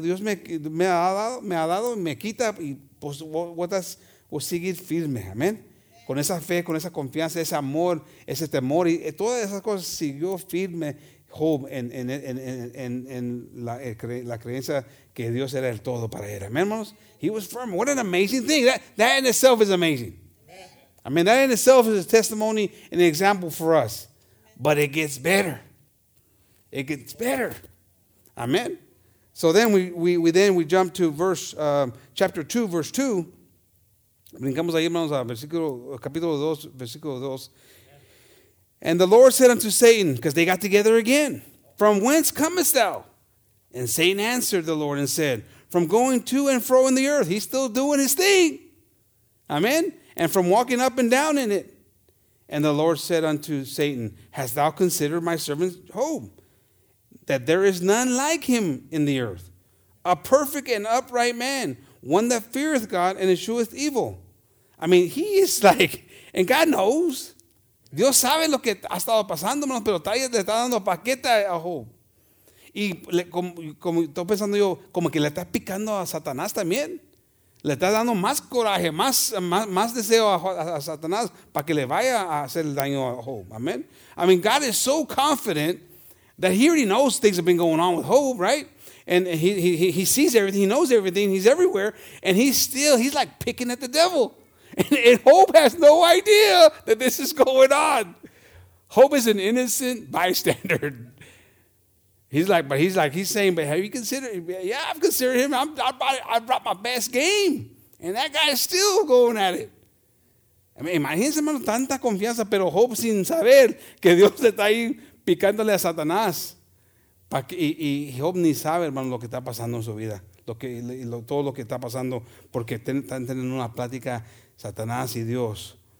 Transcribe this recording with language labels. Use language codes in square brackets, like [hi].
[es] Dios me ha dado, me quita y pues, pues seguir firme, amén. Con esa fe, con esa confianza, ese amor, ese temor, y todas esas cosas siguió firme Job en la creencia que Dios era el todo para él. [en] Amen, hermanos. He was firm. What an amazing thing. That in itself is amazing. Amen. I mean, that in itself is a testimony and an example for us. But it gets better. It gets better. Amen. So then we jump to verse chapter 2, verse 2. [es] Brincamos ahí, hermanos, a capítulo 2, versículo 2. [en] And the Lord said unto Satan, because they got together again, from whence comest thou? And Satan answered the Lord and said, from going to and fro in the earth. He's still doing his thing. Amen. And from walking up and down in it. And the Lord said unto Satan, hast thou considered my servant Job, that there is none like him in the earth, a perfect and upright man, one that feareth God and escheweth evil. I mean, he is like, and God knows. [es] Dios sabe lo que ha estado pasando, pero le está dando paqueta a Job. Y como estoy pensando yo, como que le está picando a Satanás también. Le está dando más coraje, más deseo a Satanás para que le vaya a hacer daño a Job. [en] Amen. I mean, God is so confident that he already knows things have been going on with Job, right? And he sees everything, he knows everything, he's everywhere, and he's like picking at the devil. And Job has no idea that this is going on. Job is an innocent bystander. He's saying, but have you considered? Yeah, I've considered him. I brought my best game. And that guy is still going at it. I mean, [es] imagínense, hermano, tanta confianza, pero Job sin saber que Dios está ahí picándole a Satanás. Y Job ni sabe, hermano, lo que está pasando en su vida. Todo lo que está pasando, porque están teniendo una plática Satanás y Dios.